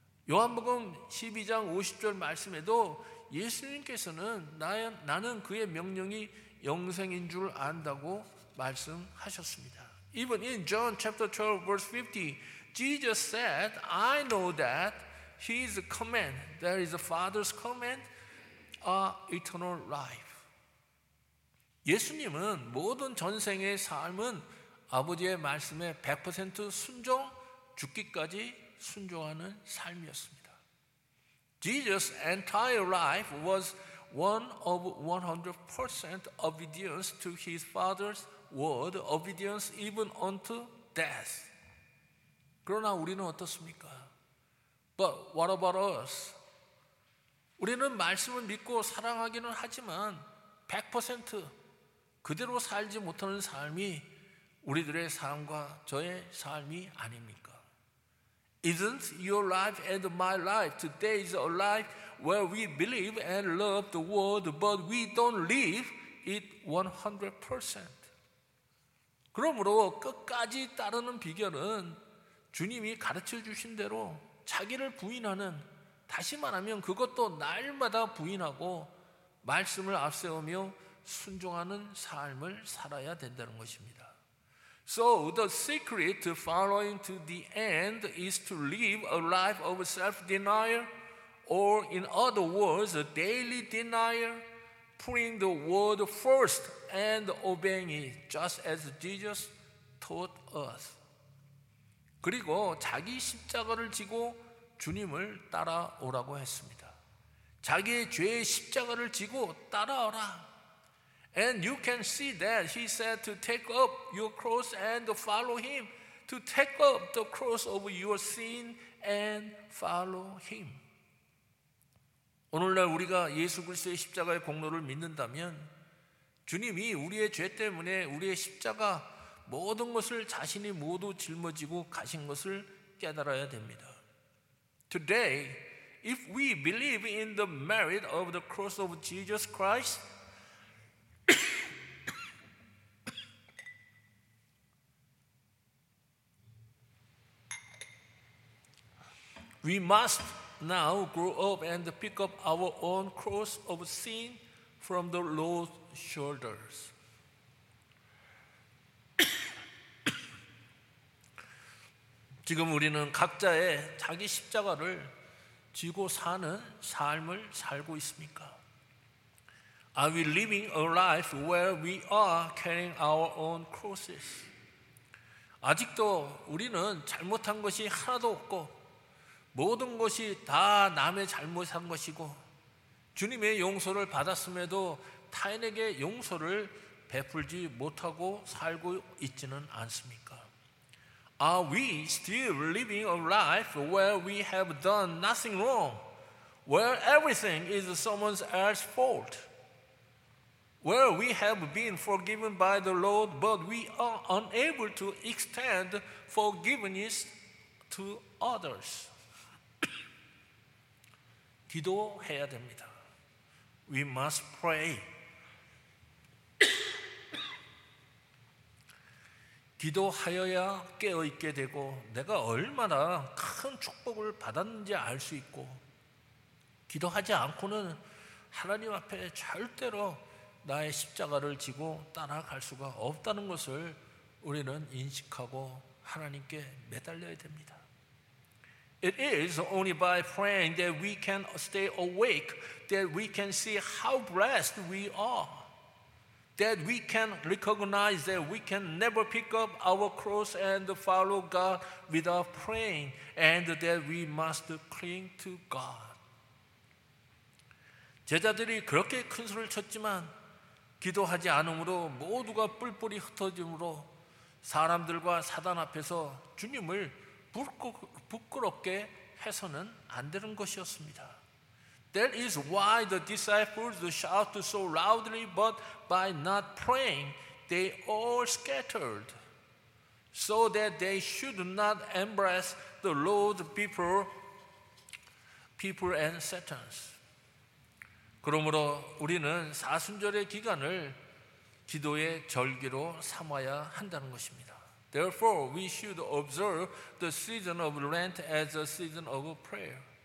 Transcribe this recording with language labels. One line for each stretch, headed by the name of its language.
Korean: 요한복음 12장 50절 말씀에도 예수님께서는 나는 그의 명령이 영생인 줄 안다고 말씀하셨습니다.
English: Even in John chapter 12 verse 50, Jesus said, I know that his command, that is the Father's command, are eternal life.
Korean: 예수님은 모든 전생의 삶은 아버지의 말씀에 100% 순종, 죽기까지 순종하는 삶이었습니다.
English: Jesus' entire life was one of 100% obedience to his father's word, obedience even unto death.
Korean: 그러나 우리는 어떻습니까?
English: But what about us?
Korean: 우리는 말씀을 믿고 사랑하기는 하지만 100% 그대로 살지 못하는 삶이 우리들의 삶과 저의 삶이 아닙니까?
English: Isn't your life and my life today is a life where we believe and love the word, but we don't live it 100%?
Korean: 그러므로 끝까지 따르는 비결은 주님이 가르쳐 주신 대로 자기를 부인하는, 다시 말하면 그것도 날마다 부인하고 말씀을 앞세우며 순종하는 삶을 살아야 된다는 것입니다.
English: So the secret to following to the end is to live a life of self-denial, or in other words, a daily denial, putting the word first and obeying it, just as Jesus taught us.
Korean: 그리고 자기 십자가를 지고 주님을 따라오라고 했습니다. 자기의 죄의 십자가를 지고 따라오라.
English: And you can see that he said to take up your cross and follow him. To take up the cross of your sin and follow him.
Korean: 오늘날 우리가 예수 그리스도의 십자가의 공로를 믿는다면 주님이 우리의 죄 때문에 우리의 십자가 모든 것을 자신이 모두 짊어지고 가신 것을 깨달아야 됩니다.
English: Today, if we believe in the merit of the cross of Jesus Christ, we must now grow up and pick up our own cross of sin from the Lord's shoulders.
Korean: 지금 우리는 각자의 자기 십자가를 지고 사는 삶을 살고 있습니까?
English: Are we living a life where we are carrying our own crosses?
Korean: 아직도 우리는 잘못한 것이 하나도 없고 모든 것이 다 남의 잘못한 것이고 주님의 용서를 받았음에도 타인에게 용서를 베풀지 못하고 살고 있지는 않습니까?
English: Are we still living a life where we have done nothing wrong, where everything is someone else's fault, where we have been forgiven by the Lord, but we are unable to extend forgiveness to others?
Korean: 기도해야 됩니다.
English: We must pray.
Korean: 기도하여야 깨어있게 되고 내가 얼마나 큰 축복을 받았는지 알 수 있고 기도하지 않고는 하나님 앞에 절대로 나의 십자가를 지고 따라갈 수가 없다는 것을 우리는 인식하고 하나님께 매달려야 됩니다.
English: It is only by praying that we can stay awake, that we can see how blessed we are. That we can recognize that we can never pick up our cross and follow God without praying, and that we must cling to God.
Korean: 제자들이 그렇게 큰 소리를 쳤지만 기도하지 않으므로 모두가 뿔뿔이 흩어짐으로 사람들과 사단 앞에서 주님을 부끄럽게 해서는 안 되는 것이었습니다.
English: That is why the disciples shout so loudly, but by not praying, they all scattered, so that they should not embrace the Lord before people and Satan.
Korean: 그러므로 우리는 사순절의 기간을 기도의 절기로 삼아야 한다는 것입니다.
English: Therefore, we should observe the season of Lent as a season of prayer.